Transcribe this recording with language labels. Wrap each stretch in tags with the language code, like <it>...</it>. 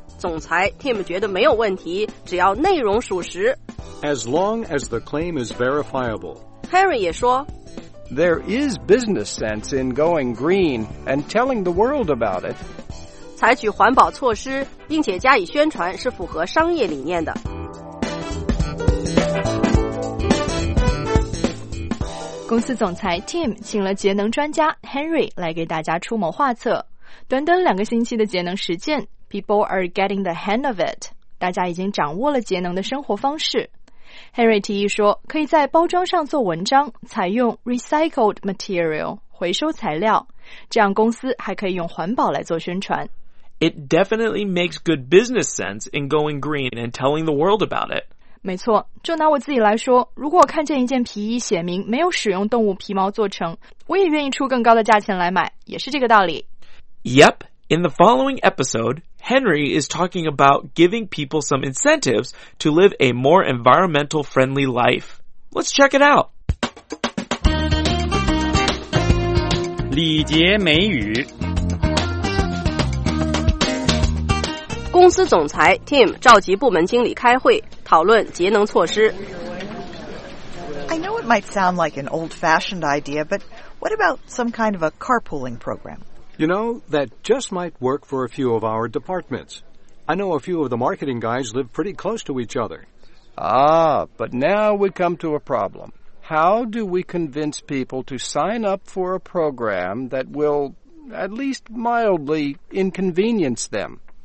<zh>总裁 Tim 觉得没有问题，只要内容属实。</zh> <en>As long as the claim is verifiable.</en> <zh>Harry 也说</zh> <en>There is business sense in going green and telling the world about it.</en> <zh>采取环保措施并且加以宣传是符合商业理念的。公司总裁 Tim 请了节能专家 Henry 来给大家出谋划策。短短两个星期的节能实践，</zh> <en>People are getting the hang of it，</en> <zh>大家已经掌握了节能的生活方式。 Henry 提议说可以在包装上做文章，采用 recycled material 回收材料，这样公司还可以用环保来做宣传。</zh> <en>It definitely makes good business sense in going green and telling the world about it.</en> <zh>没错，就拿我自己来说，如果我看见一件皮衣写明没有使用动物皮毛做成，我也愿意出更高的价钱来买，也是这个道理。</zh> <en>Yep, in the following episode, Henry is talking about giving people some incentives to live a more environmental friendly life. Let's check it out.</en> <zh>礼节美语公司总裁 Tim 召集部门经理开会，讨论节能措施。</zh> <en>I know it might sound like an old-fashioned idea, but what about some kind of a carpooling program? You know, that just might work for a few of our departments. I know a few of the marketing guys live pretty close to each other. Ah, but now we come to a problem. How do we convince people to sign up for a program that will, at least mildly, inconvenience them?</en>